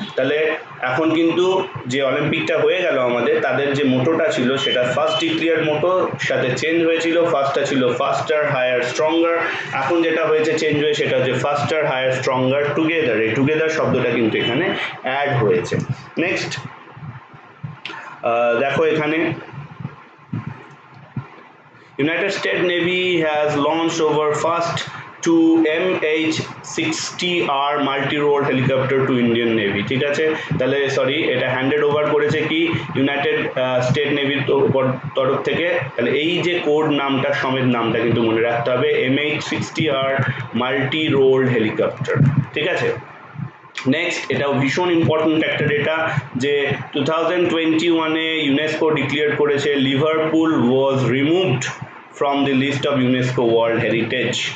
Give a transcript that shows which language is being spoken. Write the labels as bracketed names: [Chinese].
[Bangla] তাহলে এখন কিন্তু যে অলিম্পিকটা হয়ে গেল আমাদের, তাদের যে মোটোটা ছিল সেটা ফার্স্ট ডিক্লেয়ার মোটো সাথে চেঞ্জ হয়েছিল, ফার্স্টটা ছিল ফাস্টার হায়ার স্ট্রঙ্গার, এখন যেটা হয়েছে চেঞ্জ হয়ে সেটা হচ্ছে [English] faster higher stronger together, [Bangla] এই টুগেদার শব্দটা কিন্তু এখানে অ্যাড হয়েছে। [English] next [Bangla] দেখো এখানে [English] United State Navy has launch over first to MH-60R multi-role helicopter to Indian Navy. [Bangla] ঠিক আছে, তাহলে সরি এটা হ্যান্ডেড ওভার করেছে কি ইউনাইটেড স্টেট নেভির তরফ থেকে। তাহলে এই যে কোড নামটা সমেত নামটা কিন্তু মনে রাখতে হবে, MH-60R multi-role helicopter। ঠিক আছে, নেক্সট এটা ভীষণ ইম্পর্টেন্ট একটা ডেটা যে 2021 ইউনেস্কো ডিক্লেয়ার করেছে [English] Liverpool was removed from the list of UNESCO world heritage.